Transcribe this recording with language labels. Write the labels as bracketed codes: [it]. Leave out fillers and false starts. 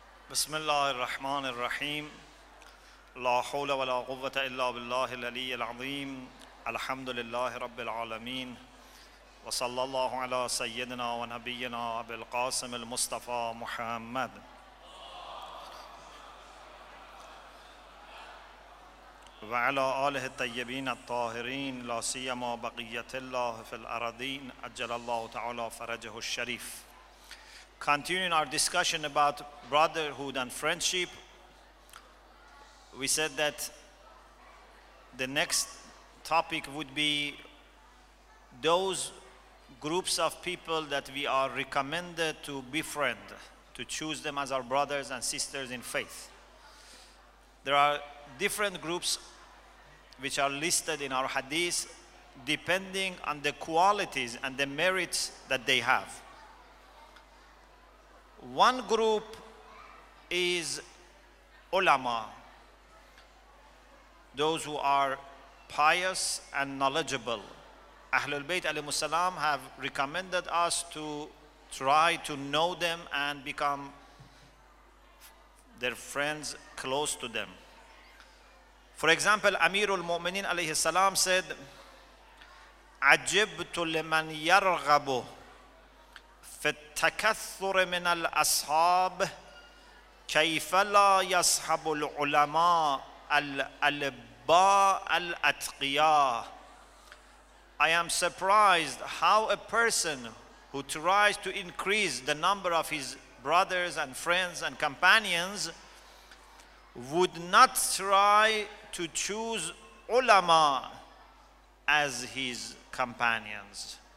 [ar] بسم الله الرحمن الرحيم لا حول ولا قوة إلا بالله العلي العظيم الحمد لله رب العالمين وصلى الله على سيدنا ونبينا أبي القاسم المصطفى محمد وعلى آله الطيبين الطاهرين لا سيما بقية الله في الأرضين أجل الله تعالى فرجه الشريف. [en] Continuing our discussion about brotherhood and friendship, we said that the next topic would be those groups of people that we are recommended to befriend, to choose them as our brothers and sisters in faith. There are different groups which are listed in our hadith depending on the qualities and the merits that they have. One group is ulama, those who are pious and knowledgeable. Ahlul Bayt alayhi salam have recommended us to try to know them and become their friends, close to them. For example, Amirul Mu'minin alayhi salam said, [ar] عَجِبْتُ لِمَنْ يَرْغَبُ فالتكثر من الأصحاب كيف لا يصحب العلماء الألباء الأتقياء. [en] I am surprised how a person who tries to increase the number of his brothers and friends and companions would not try to choose ulama as his companions.